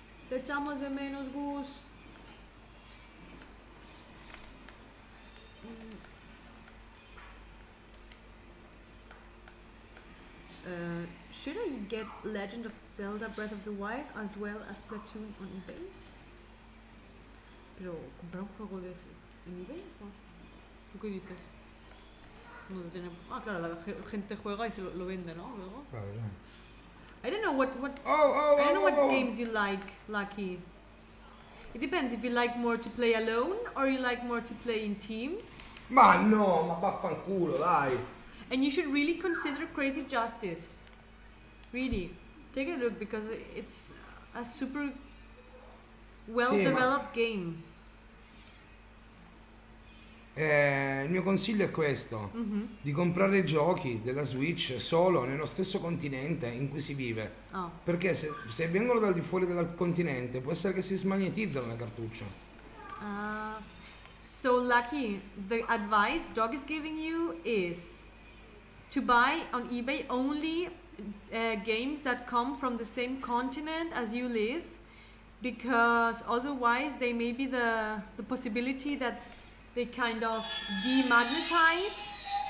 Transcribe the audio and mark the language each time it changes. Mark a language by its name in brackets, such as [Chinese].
[Spanish] Te echamos de menos, Gus. [English] Should I get Legend of Zelda Breath of the Wild as well as Splatoon on eBay? [Italian] Però comprare un gioco di in eBay qua? Tu che dici? [Spanish] No, ah, claro, la gente juega y se lo vende, ¿no? Luego. [English] I don't know I don't know what games you like, Lucky. It depends if you like more to play alone or you like more to play in team. [Italian] Ma no, ma vaffanculo, dai. [English] And you should really consider Crazy Justice. Really, take a look because it's a super [Italian] Sì, ma [English] well-developed game. [Italian] il mio consiglio è questo, di comprare giochi della Switch solo nello stesso continente in cui si vive. Oh. Perché se vengono dal di fuori del continente, può essere che si smagnetizzano le cartucce. [English] So lucky, the advice dog is giving you is to buy on eBay only games that come from the same continent as you live, because otherwise they may be the possibility that they kind of demagnetize.